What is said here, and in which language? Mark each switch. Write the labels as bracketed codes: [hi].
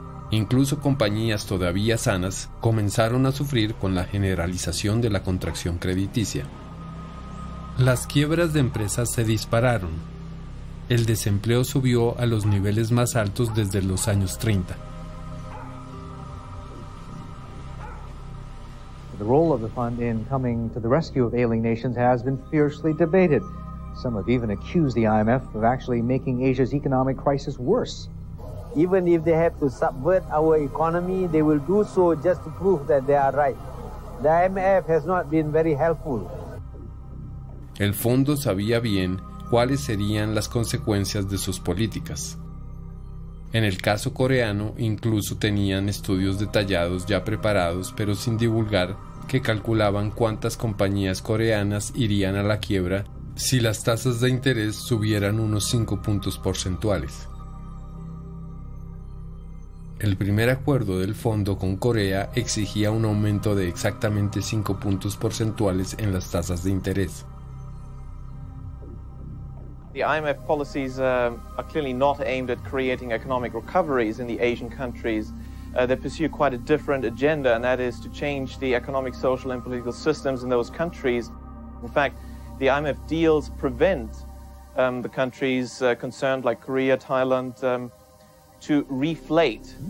[es] Incluso compañías todavía sanas comenzaron a sufrir con la generalización de la contracción crediticia. Las quiebras de empresas se dispararon. El desempleo subió a los niveles más altos desde los años 30. [en] The role of the fund in coming to the rescue of ailing nations has been fiercely debated. Some have even accused the IMF of actually making Asia's economic crisis worse. Even if they have to subvert our economy, they will do so just to prove that they are right. The IMF has not been very helpful. [es] El fondo sabía bien cuáles serían las consecuencias de sus políticas. En el caso coreano, incluso tenían estudios detallados ya preparados, pero sin divulgar, que calculaban cuántas compañías coreanas irían a la quiebra si las tasas de interés subieran unos 5 puntos porcentuales. El primer acuerdo del fondo con Corea exigía un aumento de exactamente 5 puntos porcentuales en las tasas de interés. [en] The IMF policies are clearly not aimed at creating economic recoveries in the Asian countries. They pursue quite a different agenda, and that is to change the economic, social, and political systems in those countries. In fact, the IMF deals prevent the countries concerned, like Korea, Thailand, to reflate.